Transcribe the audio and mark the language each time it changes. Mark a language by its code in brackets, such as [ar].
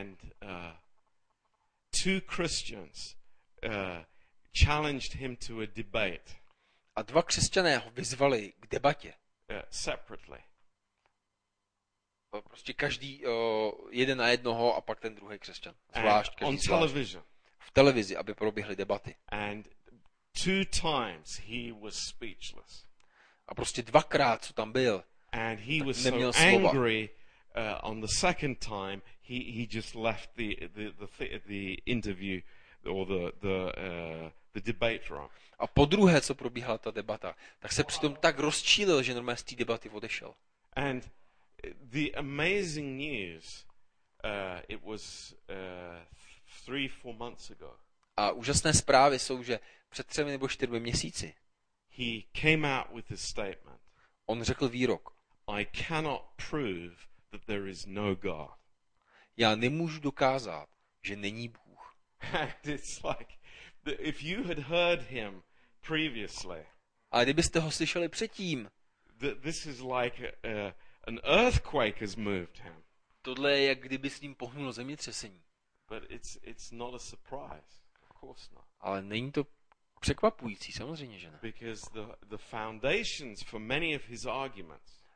[en] And two Christians challenged him to a debate. [cs] A dva křesťané ho vyzvali k debatě. [en] Separately. [cs] Prostě každý jeden na jednoho a pak ten druhý křesťan. Zvlášť. [en] On television. [cs] V televizi, aby proběhly debaty. [en] And two times he was speechless. [cs] A prostě dvakrát, co tam byl, [en] and he was [cs] neměl [en] so [cs] slova. [en] Angry on the second time he just left the interview or the debate room. [cs] A po druhé, co probíhala ta debata, tak se přitom tak rozčílil, že normálně z té debaty odešel. [en] And the amazing news, it was 3-4 months ago. [cs] A úžasné zprávy jsou, že před 3 nebo 4 měsíci. [en] He came out with this statement. [cs] On řekl výrok. [en] I cannot prove that there is no God. [cs] Já nemůžu dokázat, že není Bůh. [en] And it's like, if you had heard him previously. [cs] A kdybyste ho slyšeli předtím. [en] This is like an earthquake has moved him. [cs] Tohle je, jak kdyby s ním pohnulo zemětřesení. [en] But it's not a surprise. [cs] Ale není to překvapující, samozřejmě, že ne. [en] Because the foundations for many of his arguments.